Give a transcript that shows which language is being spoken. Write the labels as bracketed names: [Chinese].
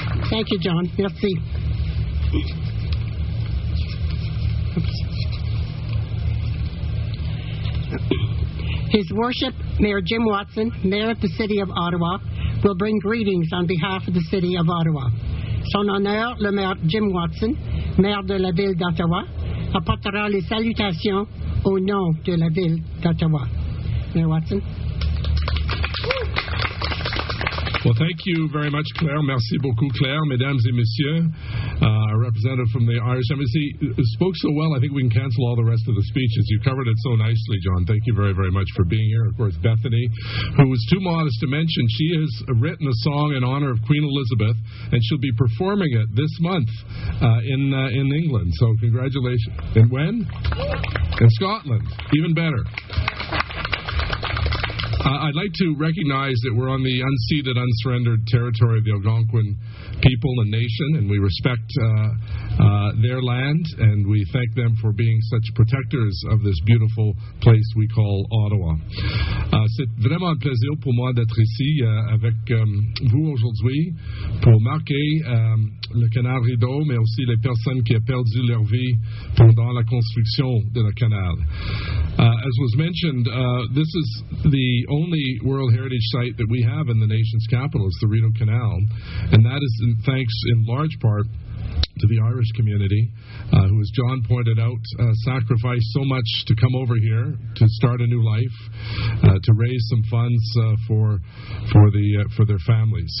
[English] Thank you, John. Merci. His Worship, Mayor Jim Watson, Mayor of the City of Ottawa, will bring greetings on behalf of the City of Ottawa. [French] Son honneur, le maire Jim Watson, maire de la ville d'Ottawa, apportera les salutations au nom de la ville d'Ottawa. [English] Mayor Watson. Well, thank you very much, Claire. [French] Merci beaucoup, Claire. Mesdames et messieurs, [English] representative from the Irish Embassy, spoke so well, I think we can cancel all the rest of the speeches. You covered it so nicely, John. Thank you very, very much for being here. Of course, Bethany, who was too modest to mention, she has written a song in honor of Queen Elizabeth, and she'll be performing it this month in England. So congratulations. And when? In Scotland. Even better. I'd like to recognize that we're on the unceded, unsurrendered territory of the Algonquin people and nation, and we respect their land, and we thank them for being such protectors of this beautiful place we call Ottawa. [French] C'est vraiment un plaisir pour moi d'être ici avec vous aujourd'hui pour marquer le canal Rideau, mais aussi les personnes qui ont perdu leur vie pendant la construction de la canal. [English] As was mentioned, this is the only World Heritage Site that we have in the nation's capital, is the Rideau Canal, and that is in thanks in large part to the Irish community, who, as John pointed out, sacrificed so much to come over here to start a new life, to raise some funds for their families.